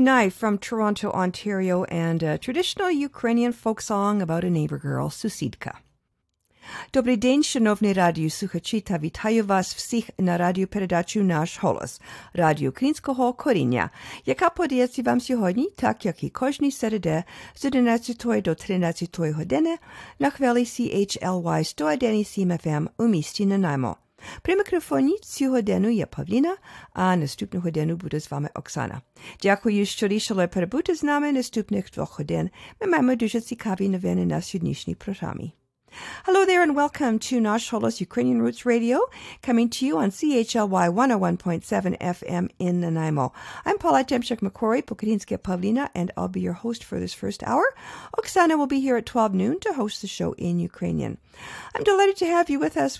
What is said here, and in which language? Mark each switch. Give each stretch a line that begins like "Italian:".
English: from Toronto, Ontario, and a traditional Ukrainian folk song about a neighbor girl, Susidka.
Ukrainian: Добрий день, шановні радіо слухачі, та вітаю вас всіх на радіопередачу «Наш голос» радіо українського коріння, яка подається вам сьогодні, так як і кожні середи з 11 до 13 години на хвилі CHLY 101.7 FM у місті Нанаймо. При мікрофоні цю годину є Павліна, а наступну годину буде з вами Оксана. Дякую, що рішили перебути з нами наступних двох годин. Ми маємо дуже цікаві новини на сьогоднішній програмі.
English: Hello there and welcome to Nash Holos Ukrainian Roots Radio, coming to you on CHLY 101.7 FM in Nanaimo. I'm Paula Demchuk-McCory, Pokrinskaya Pavlina, and I'll be your host for this first hour. Oksana will be here at 12 noon to host the show in Ukrainian. I'm delighted to have you with us.